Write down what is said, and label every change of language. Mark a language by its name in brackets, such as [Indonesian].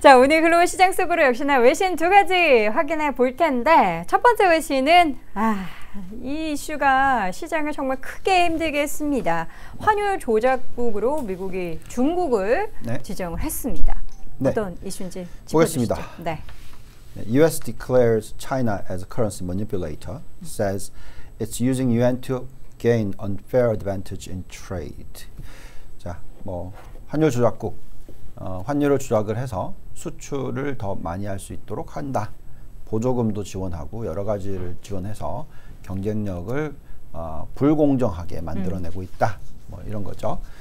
[Korean] 자, 오늘 글로벌 시장 속으로 역시나 외신 두 가지 확인해 볼 텐데 첫 번째 외신은 이 이슈가 시장을 정말 크게 힘들게 했습니다. 환율 조작국으로 미국이 중국을 네. 지정을 했습니다. 네. 어떤 이슈인지 짚어주시죠. 보겠습니다. 네. U.S. [English] declares China as a currency manipulator, says it's using yuan to gain unfair advantage in trade. [Korean] 자, 뭐 환율 조작국, 환율을 조작을 해서 수출을 더 많이 할 수 있도록 한다. 보조금도 지원하고 여러 가지를 지원해서 경쟁력을 불공정하게 만들어내고 있다. 뭐 이런 거죠.